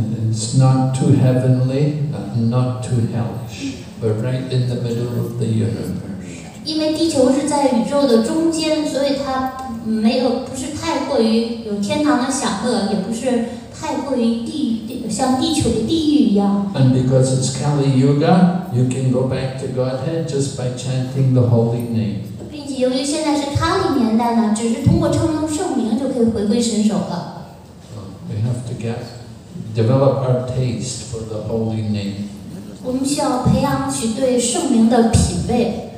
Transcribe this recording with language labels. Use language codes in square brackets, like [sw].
[en] It's not too heavenly, not too hellish, but right in the middle of the universe. [zh] 因为地球是在宇宙的中间，所以它没有不是太过于有天堂的享乐，也不是。 [en] And because it's Kali Yuga, you can go back to Godhead just by chanting the holy name. [zh] 并且由于现在是Kali年代呢，只是通过称颂圣名就可以回归神手了。 [en] We have to develop our taste for the holy name. [zh] 我们需要培养起对圣名的品味。